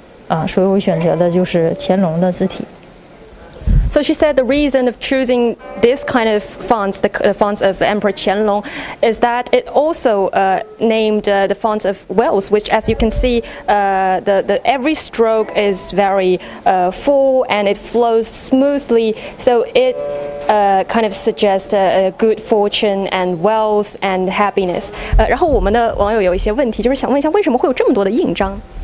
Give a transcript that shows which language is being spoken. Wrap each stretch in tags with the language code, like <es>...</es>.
<zh>可以给我们先介绍一下，就是这个字体的它的一个特点和为什么会在今天选择写这样一个字体？因为乾隆榜书也叫富贵体，行笔特别的厚重，特别的圆润，特别适合我们像春节呀，或者是各个节气的时候看起来特别的喜庆，所以我选择的就是乾隆的字体。</zh> <en>So she said the reason of choosing this kind of fonts, the fonts of Emperor Qianlong, is that it also named the fonts of wells, which as you can see, every stroke is very full and it flows smoothly. So it kind of suggests a good fortune and wealth and happiness.</en> <zh>然后我们的网友有一些问题，就是想问一下为什么会有这么多的印章？</zh>